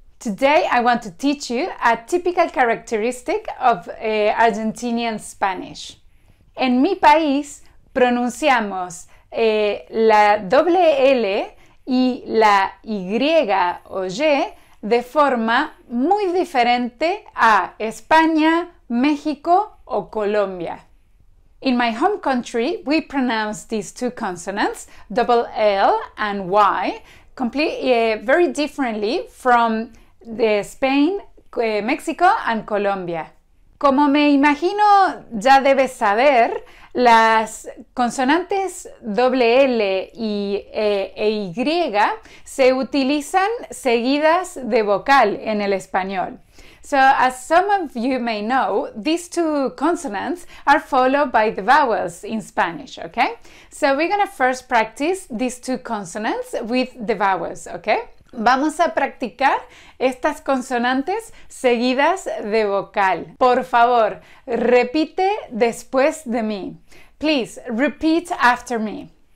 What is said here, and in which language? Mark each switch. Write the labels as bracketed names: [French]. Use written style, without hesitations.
[English] Today I want to teach you a typical characteristic of Argentinian Spanish. [Spanish] En mi país pronunciamos la doble L y la Y o Y de forma muy diferente a España, México o Colombia. [English] In my home country, we pronounce these two consonants, double L and Y, completely very differently from the Spain, Mexico and Colombia. [Spanish] Como me imagino ya debes saber, las consonantes doble L y, e Y se utilizan seguidas de vocal en el español. [English] So, as some of you may know, these two consonants are followed by the vowels in Spanish, okay? So, we're gonna first practice these two consonants with the vowels, okay? [Spanish] Vamos a practicar estas consonantes seguidas de vocal. Por favor, repite después de mí. [English] Please, repeat after me.